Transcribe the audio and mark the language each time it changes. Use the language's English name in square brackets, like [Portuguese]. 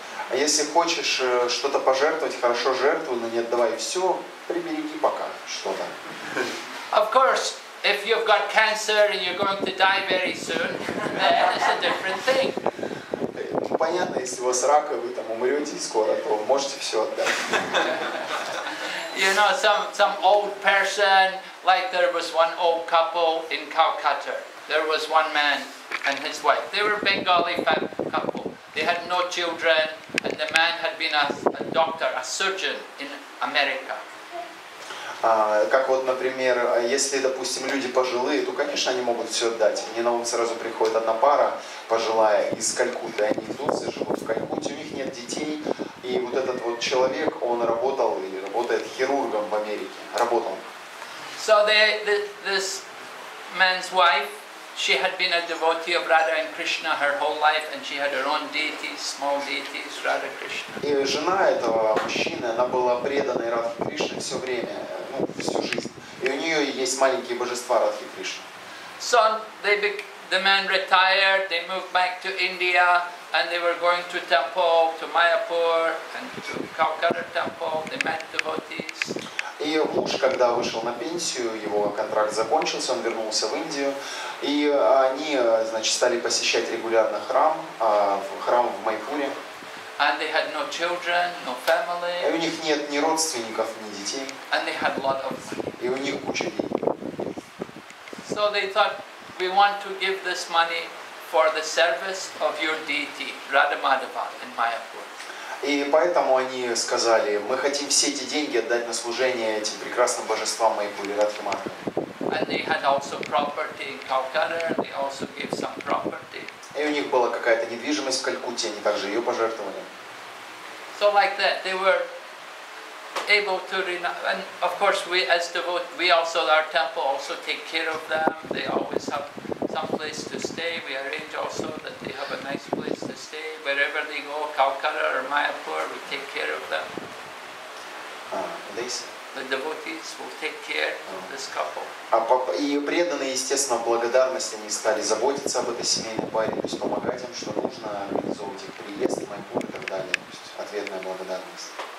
[Russian] А если хочешь что-то пожертвовать, хорошо жертвуй, но не отдавай все, прибереги пока что-то. [English] Of course, if you've got cancer and you're going to die very soon, then it's a different thing. [Russian] Понятно, если у вас рак, и вы там умрете скоро, то можете все отдать. [English] You know, some old person, like there was one old couple in Calcutta. There was one man and his wife. They were Bengali couple. They had no children, and the man had been a doctor, a surgeon in America. [Russian] Как вот, например, если, допустим, люди пожилые, то, конечно, они могут все отдать. Мне на ум сразу приходит одна пара пожилая из Калькутты. Они идут, живут в Калькутте, у них нет детей. И вот этот вот человек, он работал или работает хирургом в Америке. Работал. [English] So this man's wife, she had been a devotee of Radha and Krishna her whole life, and she had her own deities, small deities, Radha Krishna. [Russian] И жена этого мужчины, она была преданной Радхе Кришне все время. Всю жизнь. И у нее есть маленькие божества Радхи Кришны. [English] So the man retired, they moved back to India, and they were going to temple, to Mayapur, and to Calcutta temple, they met devotees. [Russian] И муж, когда вышел на пенсию, его контракт закончился, он вернулся в Индию, и они, значит, стали посещать регулярно храм в Майпуре. [English] And they had no children, no family. [Russian] И у них нет ни родственников, ни детей. [English] And they had a lot of money. [Russian] И у них куча денег. [English] So they thought, we want to give this money for the service of your deity, Radha Madhava in Mayapur. [Russian] И поэтому они сказали, мы хотим все эти деньги отдать на служение этим прекрасным божествам Майпури, Радхи Мадхава. [English] And they had also property in Calcutta, and they also gave some property. [Russian] И у них была какая-то недвижимость в Калькутте, они также ее пожертвовали. [English] So like that, they were able to renounce. And of course, we as devotees, we also, our temple also take care of them. They always have some place to stay. We arrange also that they have a nice place to stay. Wherever they go, Calcutta or Mayapur, we take care of them. The devotees will take care of this couple. [Russian] И преданные, естественно, в благодарности они стали заботиться об этой семейной паре, то есть помогать им, что нужно, организовывать их приезд, майпур и так далее. То есть ответная благодарность.